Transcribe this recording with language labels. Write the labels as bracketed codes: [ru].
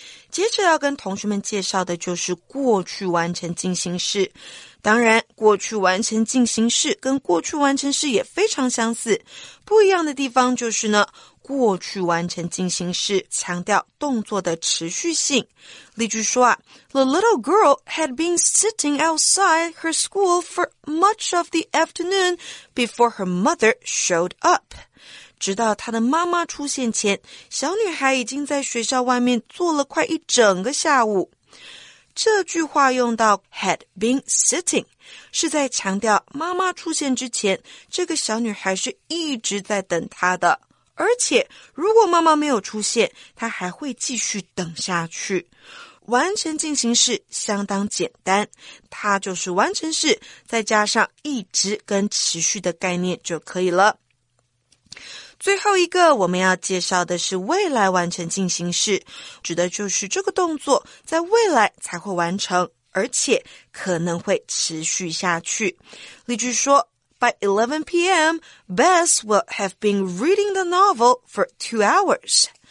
[zh] 接着要跟同学们介绍的就是过去完成进行式。当然，过去完成进行式跟过去完成式也非常相似，不一样的地方就是呢，过去完成进行式强调动作的持续性。例句说啊 [en] ,The little girl had been sitting outside her school for much of the afternoon before her mother showed up. [zh] 直到她的妈妈出现前，小女孩已经在学校外面坐了快一整个下午。这句话用到 [en] had been sitting， [zh] 是在强调妈妈出现之前，这个小女孩是一直在等她的。而且，如果妈妈没有出现，她还会继续等下去。完成进行式相当简单，它就是完成式，再加上一直跟持续的概念就可以了。最后一个我们要介绍的是未来完成进行式，指的就是这个动作在未来才会完成，而且可能会持续下去。例句说， [en] By 11 PM, Bess will have been reading the novel for 2 hours.